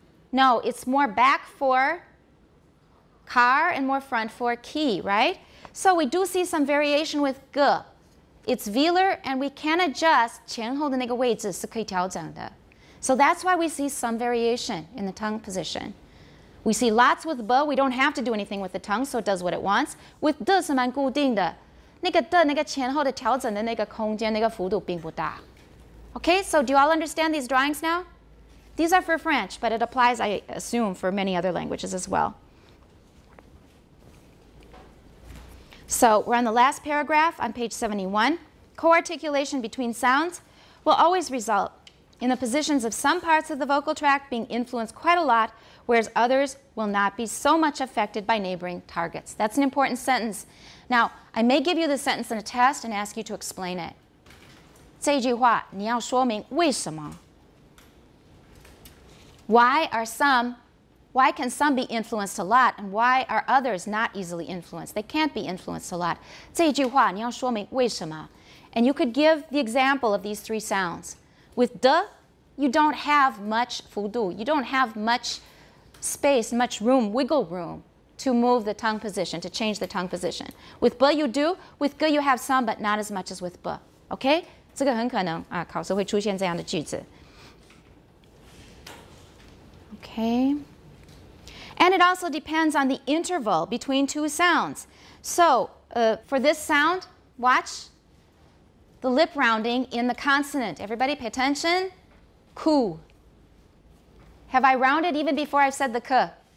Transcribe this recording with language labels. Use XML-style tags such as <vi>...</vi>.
<en>No, it's more back for car and more front for key, right? So we do see some variation with g. It's velar and we can adjust</en> <zh>前后的那个位置是可以调整的.</zh> <en>So that's why we see some variation in the tongue position. We see lots with b, we don't have to do anything with the tongue, so it does what it wants. With d</en> <zh>是蛮固定的, 那个d那个前后的调整的那个空间那个幅度并不大.</zh> <en>Okay, so do you all understand these drawings now? These are for French, but it applies, I assume, for many other languages as well. So we're on the last paragraph on page 71. Co-articulation between sounds will always result in the positions of some parts of the vocal tract being influenced quite a lot, whereas others will not be so much affected by neighboring targets. That's an important sentence. Now, I may give you the sentence in a test and ask you to explain it.</en> <zh>这句话你要说明为什么?</zh> <en>Why can some be influenced a lot and why are others not easily influenced? They can't be influenced a lot.</en> <zh>这句话你要说明为什么?</zh> <en>And you could give the example of these three sounds. With d, you don't have much 幅度, you don't have much space, much room, wiggle room to move the tongue position, to change the tongue position. With b you do, with g you have some, but not as much as with b. Okay?</en> <zh>这个很可能考试会出现这样的句子.</zh> <en>Okay. And it also depends on the interval between two sounds. So for this sound, watch the lip rounding in the consonant. Everybody pay attention. Ku. Have I rounded even before I've said the k?</en>